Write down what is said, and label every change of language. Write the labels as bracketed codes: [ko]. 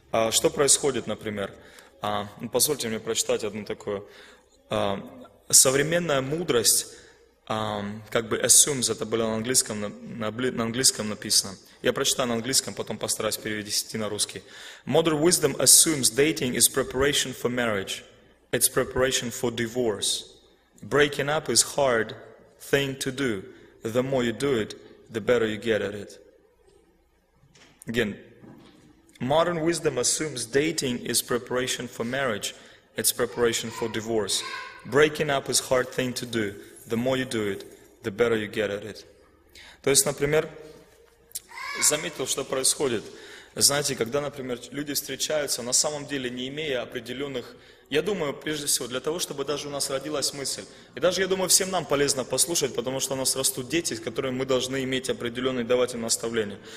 [ru] Что происходит, например? Позвольте мне прочитать одну такую. Современная мудрость как бы assumes, это было на английском написано. Я прочитаю на английском, потом постараюсь перевести на русский. [en] Modern wisdom assumes dating is preparation for marriage. It's preparation for divorce. Breaking up is hard thing to do. The more you do it, the better you get at it. Again, modern wisdom assumes dating is preparation for marriage. It's preparation for divorce. Breaking up is hard thing to do. The more you do it, the better you get at it. [ru] То есть, например, заметил, что происходит. Знаете, когда, например, люди встречаются, на самом деле не имея определенных... Я думаю, прежде всего, для того, чтобы даже у нас родилась мысль. И даже, я думаю, всем нам полезно послушать, потому что у нас растут дети, с которыми мы должны иметь определенные, давать им наставления.